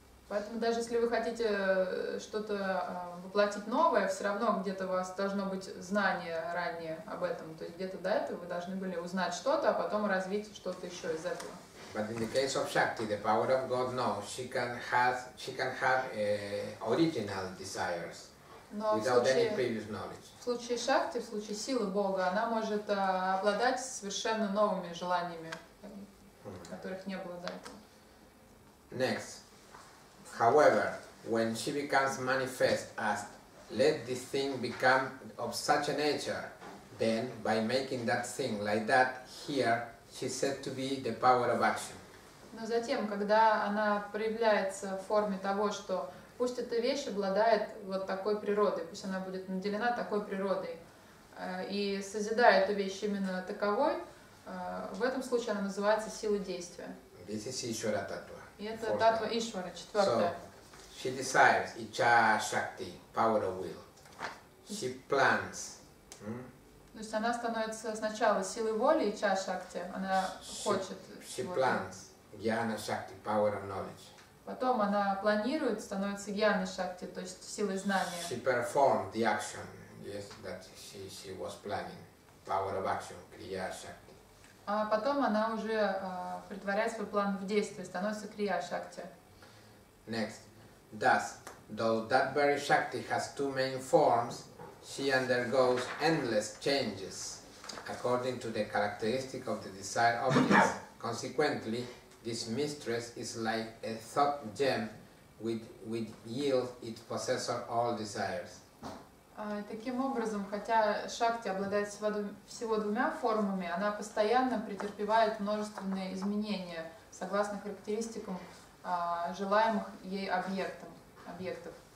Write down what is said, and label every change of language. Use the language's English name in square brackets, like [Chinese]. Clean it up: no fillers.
[Russian] Поэтому даже если вы хотите что-то воплотить новое, все равно где-то у вас должно быть знание ранее об этом, то есть где-то до этого вы должны были узнать что-то, а потом развить что-то еще из этого. [English] But in the case of Shakti, the power of God, no, she can have original desires. [Russian] Но в случае Шакти, в случае силы Бога, она может обладать совершенно новыми желаниями, которых не было до этого. [English] Next. However, when she becomes manifest as let this thing become of such a nature, then by making that thing like that here, she said to be the power of action. [Russian] Но затем, когда она проявляется в форме того, что пусть эта вещь обладает вот такой природой, пусть она будет наделена такой природой и созидая эту вещь именно таковой, в этом случае она называется силой действия. [English] This is Ishvara Tattva. [Russian] И это Tattva Ishvara, четвертая. [English] So, she desires Ichha Shakti, power of will. She plans. [Russian] То есть она становится сначала силой воли, Ichha Shakti, она хочет. [English] She plans Gyana Shakti, power of knowledge. [Russian] Потом она планирует, становится гьяной шакти, то есть силой знания. [English] She performed the action, yes, that she was planning. Power of action, Kriya Shakti. [Russian] А потом она уже притворяет свой план в действие, становится Kriya Shakti. [English] Next. Thus, though that very Shakti has two main forms, she undergoes endless changes according to the characteristic of the desired objects. Consequently, this mistress is like a thought gem which yields its possessor all desires. [Russian] Таким образом, хотя Шакти обладает всего двумя формами, она постоянно претерпевает множественные изменения согласно характеристикам желаемых ей объектов.